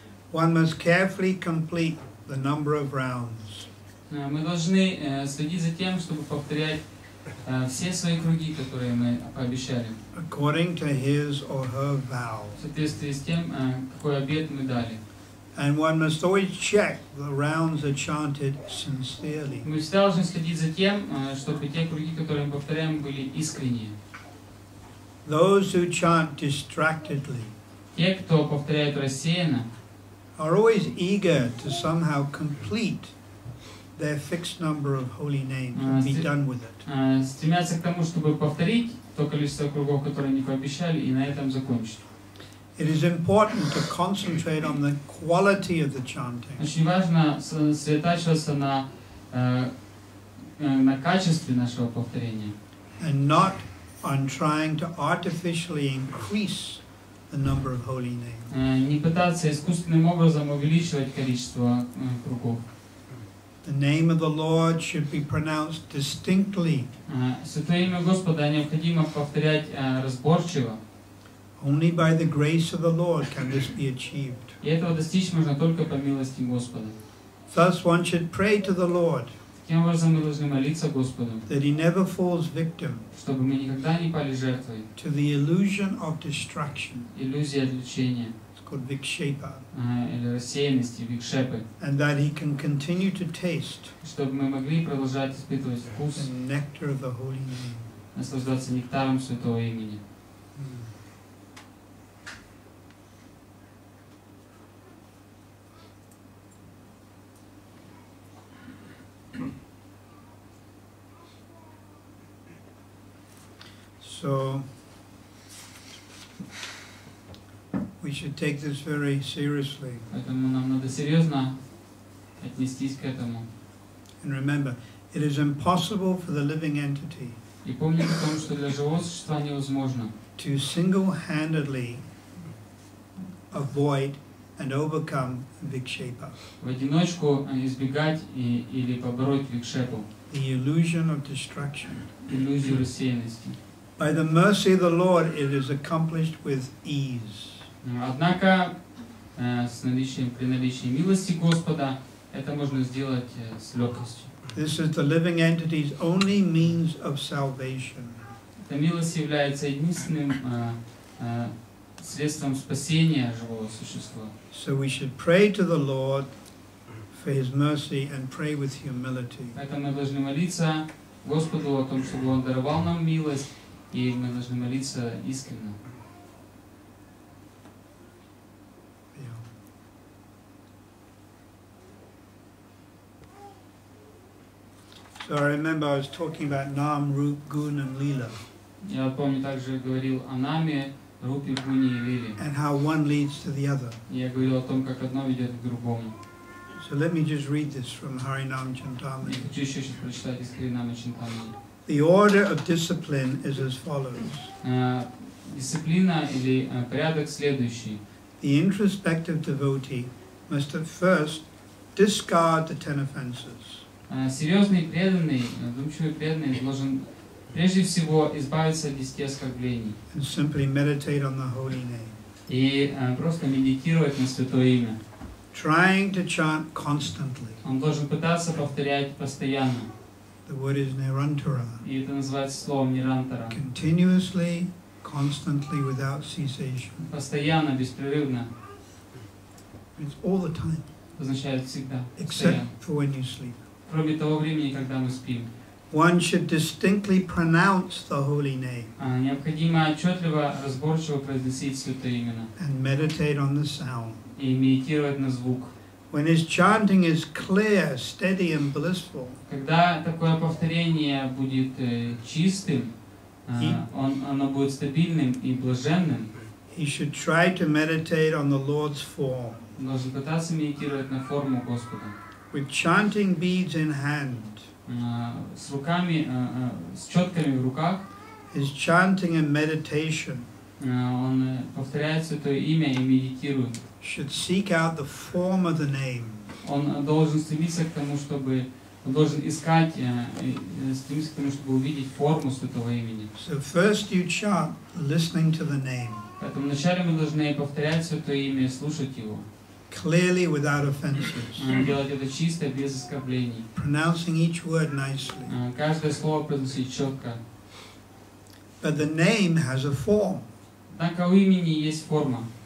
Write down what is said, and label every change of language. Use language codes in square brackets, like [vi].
[en] One must carefully complete the number of rounds. [ru] Мы должны следить за тем, чтобы повторять все свои круги, которые мы пообещали. [en] According to his or her vow. [ru] В соответствии с тем, какой обет мы дали. [en] And one must always check the rounds are chanted sincerely. [ru] Мы всегда должны следить за тем, чтобы те круги, которые мы повторяем, были искренние. [en] Those who chant distractedly. [ru] Те, кто повторяет рассеянно. [en] Are always eager to somehow complete their fixed number of holy names and be done with it. [ru] Стремятся к тому, чтобы повторить то количество кругов, которые они пообещали, и на этом закончить. [en] It is important to concentrate on the quality of the chanting. [ru] Очень важно сосредоточиться на качестве нашего повторения. [en] And not on trying to artificially increase the number of holy names. [ru] Не пытаться искусственным образом увеличивать количество кругов. [en] The name of the Lord should be pronounced distinctly. [ru] Святое имя Господа необходимо повторять разборчиво. [en] Only by the grace of the Lord can this be achieved. [ru] И этого достичь можно только по милости Господа. [en] Thus one should pray to the Lord. [ru] Таким образом мы должны молиться Господу. [en] That he never falls victim. [ru] Чтобы мы никогда не пали жертвой. [en] To the illusion of distraction. [ru] Иллюзия отвлечения. [en] Called vikshepa. [ru] Или рассеянности, викшепы. [en] And that he can continue to taste. [ru] Чтобы мы могли продолжать испытывать вкус. [en] The nectar of the holy name. [ru] Наслаждаться нектаром святого имени. [en] So we should take this very seriously. [ru] Поэтому нам надо серьезно отнестись к этому. [en] And remember, it is impossible for the living entity. [ru] И помним о том, что для живого существа невозможно. [en] To single-handedly avoid and overcome vikshepa. [ru] В одиночку избегать и или побороть викшепу. [en] The illusion of destruction. [ru] Иллюзию рассеянности. [en] By the mercy of the Lord, it is accomplished with ease. [ru] Однако с наличием при наличии милости Господа это можно сделать с легкостью. [en] This is the living entity's only means of salvation. [ru] Эта милость является единственным средством спасения живого существа. [en] So we should pray to the Lord for His mercy and pray with humility. [ru] Поэтому мы должны молиться Господу о том, чтобы Он даровал нам милость. И мы должны молиться искренне. [en] Yeah. So I remember I was talking about Nam, Rup, Gun and Lila. [ru] Я помню, также говорил о Наме, Рупе, Гуне и Лиле. [en] And how one leads to the other. [ru] Я говорил о том, как одно ведет к другому. [en] So let me just read this from Харинам Чинтамани. [ru] Я хочу сейчас прочитать из Харинама Чинтамани. [en] The order of discipline is as follows. [ru] Дисциплина или порядок следующий. [en] The introspective devotee must at first discard the ten offenses. [ru] Серьезный преданный, думчивый преданный должен прежде всего избавиться от десяти оскорблений. [en] And simply meditate on the holy name. [ru] И просто медитировать на святое имя. [en] Trying to chant constantly. [ru] Он должен пытаться повторять постоянно. [en] The word is nirantara. [ru] И это называется словом нирантара. [en] Continuously, constantly, without cessation. [ru] Постоянно, беспрерывно. [en] It's all the time. [ru] Означает всегда. [en] Except for when you sleep. [ru] Кроме того времени, когда мы спим. [en] One should distinctly pronounce the holy name. [ru] Необходимо отчетливо, разборчиво произносить святое имя. [en] And meditate on the sound. [ru] И медитировать на звук. [en] When his chanting is clear, steady, and blissful. [ru] Когда такое повторение будет чистым, оно будет стабильным и блаженным. [en] He should try to meditate on the Lord's form. [ru] Должен пытаться медитировать на форму Господа. [en] With chanting beads in hand. [ru] С руками, с четками в руках. [en] His chanting and meditation. [ru] Он повторяет святое имя и медитирует. [en] Should seek out the form of the name. [ru] Он должен стремиться к тому, чтобы он должен искать, стремиться к тому, чтобы увидеть форму святого имени. [en] So first you chant, listening to the name. [ru] Поэтому вначале мы должны повторять святое имя, слушать его. [en] Clearly, without offenses. [ru] Делать это чисто, без оскорблений. [en] Pronouncing each word nicely. [ru] Каждое слово произносить четко. [en] But the name has a form. [ru] Однако у имени есть форма.